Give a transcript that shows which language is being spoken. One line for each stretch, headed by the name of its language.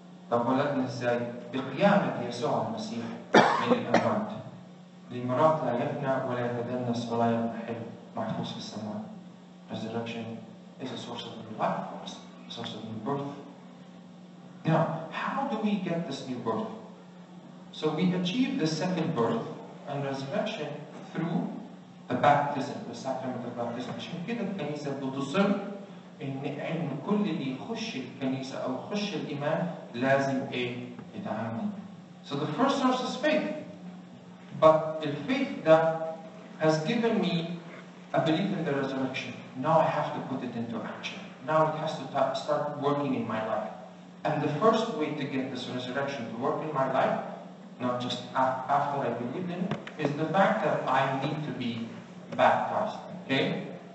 Arabic: طب ولدنا إزاي؟ بقيامة يسوع المسيح من الأموات لمراد لا يفنى ولا يتدنس ولا يمحل محفوظ في السماء.
English: Resurrection is a source of new life for us, a source of new birth. Now, how do we get this new birth? So we achieve the second birth and resurrection through the baptism, the sacrament of baptism.
Arabic: عشان كده الكنيسة بتصر إن كل اللي يخش الكنيسة أو يخش الإيمان لازم إيه يتعامل.
English: So the first source is faith. But the faith that has given me a belief in the resurrection, now I have to put it into action. Now it has to start working in my life. And the first way to get this resurrection to work in my life, not just after I believed in it, is the fact that I need to be baptized. Okay?